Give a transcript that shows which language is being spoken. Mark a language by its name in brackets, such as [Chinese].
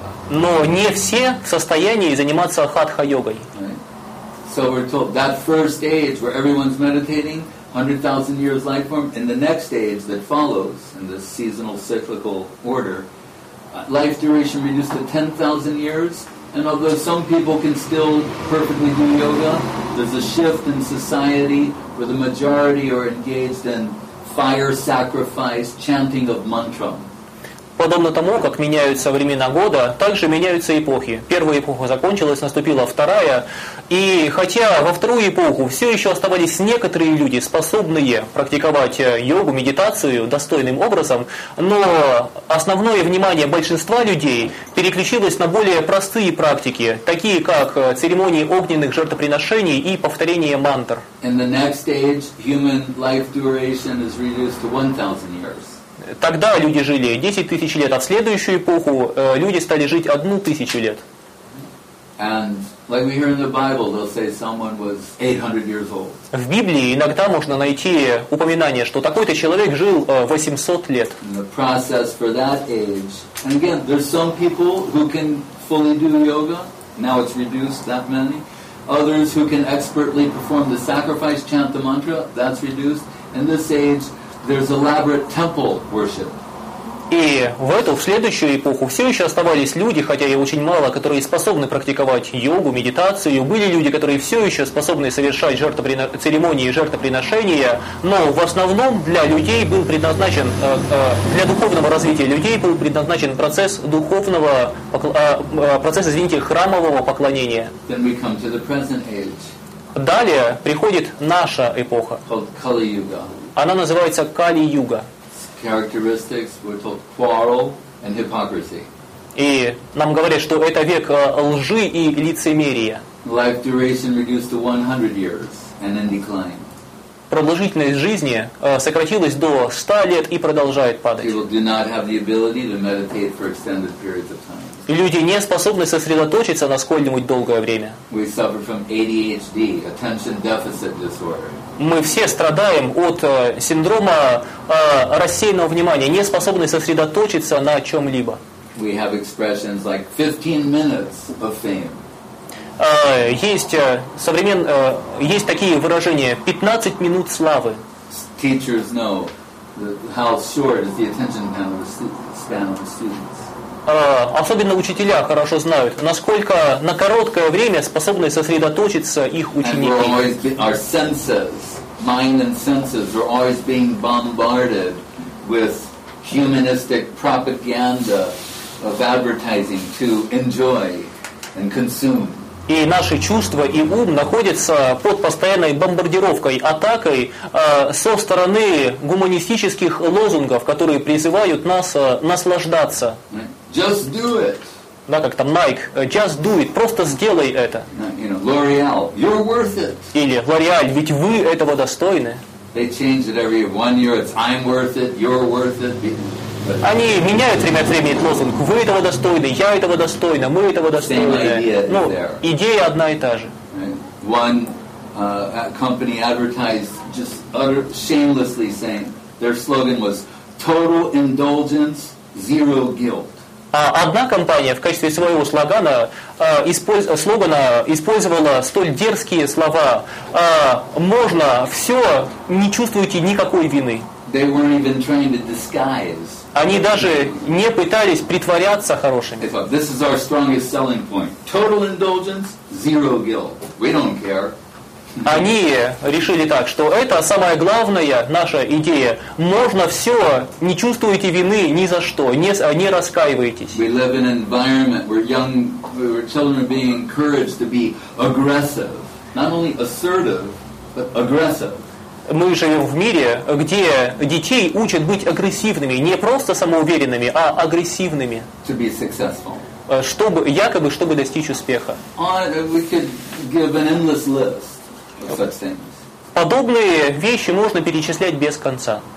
[Russian] Но не все в состоянии заниматься хатха-йогой. [English] So we're told that first age where everyone's meditating, 100,000 years life form, in the next age that follows, in this seasonal cyclical order, life duration reduced to 10,000 years, and although some people can still perfectly do yoga, there's a shift in society where the majority are engaged in fire sacrifice, chanting of mantra. [Russian] Подобно тому, как меняются времена года, также меняются эпохи. Первая эпоха закончилась, наступила вторая. И хотя во вторую эпоху все еще оставались некоторые люди, способные практиковать йогу, медитацию достойным образом, но основное внимание большинства людей переключилось на более простые практики, такие как церемонии огненных жертвоприношений и повторение мантр. [English] In the next stage, human life duration is reduced to 1,000 years. [Russian] Тогда люди жили 10 тысяч лет, а в следующую эпоху люди стали жить 1000 лет. [English] And like we hear in the Bible, they'll say someone was 800 years old. [Russian] В Библии иногда можно найти упоминание, что такой-то человек жил 800 лет. [English] And the process for that age. And again, there's some people who can fully do yoga. Now it's reduced that many. Others who can expertly perform the sacrifice, chant the mantra. That's reduced. In this age, there's elaborate temple worship. [Russian] И в эту, в следующую эпоху все еще оставались люди, хотя и очень мало, которые способны практиковать йогу, медитацию. Были люди, которые все еще способны совершать церемонии жертвоприношения, но в основном для людей был предназначен, для духовного развития людей был предназначен процесс духовного, процесс, извините, храмового поклонения. [English] Then we come to the present age. [Russian] Далее приходит наша эпоха. Она называется Кали-юга. [English] Characteristics were told quarrel and hypocrisy. [Russian] И нам говорят, что это век лжи и лицемерия. [English] Life duration reduced to 100 years and then declined. [Russian] Продолжительность жизни сократилась до 100 лет и продолжает падать. [English] People do not have the ability to meditate for extended periods of time. [Russian] Люди не способны сосредоточиться на сколь-нибудь долгое время. [English] We suffer from ADHD, attention deficit disorder. [Russian] Мы все страдаем от синдрома рассеянного внимания, не способны сосредоточиться на чем-либо. [English] We have expressions like 15 minutes of fame. [Russian] Есть такие выражения: 15 минут славы. [English] Teachers know how short is the attention span of students. [Russian] Особенно учителя хорошо знают, насколько на короткое время способны сосредоточиться их ученики. [English] Our senses, mind and senses, are always being bombarded with humanistic propaganda of advertising to enjoy and consume. [Russian] И наши чувства и ум находятся под постоянной бомбардировкой, атакой со стороны гуманистических лозунгов, которые призывают нас наслаждаться. [English] Just do it. [Russian] да, как там, Nike, [English] just do it, [Russian] просто сделай это. [English] You know, L'Oreal, you're worth it. [Russian] Или L'Oreal, ведь вы этого достойны. [English] They change it every one year, it's I'm worth it, you're worth it. [Russian] Они меняют время от времени лозунг. Вы этого достойны, я этого достойна, мы этого достойны. Ну, идея одна и та же. [English] One company advertised just utter shamelessly saying their slogan was total indulgence, zero guilt. [Russian] А одна компания в качестве своего слогана, слогана использовала столь дерзкие слова: можно все, не чувствуйте никакой вины. [English] They weren't even trying to disguise. [Russian] Они даже не пытались притворяться хорошими. [English] This is our strongest selling point. Total indulgence, zero guilt. We don't care. [Russian] Они решили так, что это самая главная наша идея. Можно все, не чувствуете вины ни за что, не раскаивайтесь. [English] We live in an environment where young, where children are being encouraged to be aggressive. Not only assertive, but aggressive. [Russian] Мы живем в мире, где детей учат быть агрессивными, не просто самоуверенными, а агрессивными, [English] to be successful. [Russian] Чтобы, якобы, чтобы достичь успеха. [English] We could give an endless list of such things. [Russian] Подобные вещи можно перечислять без конца.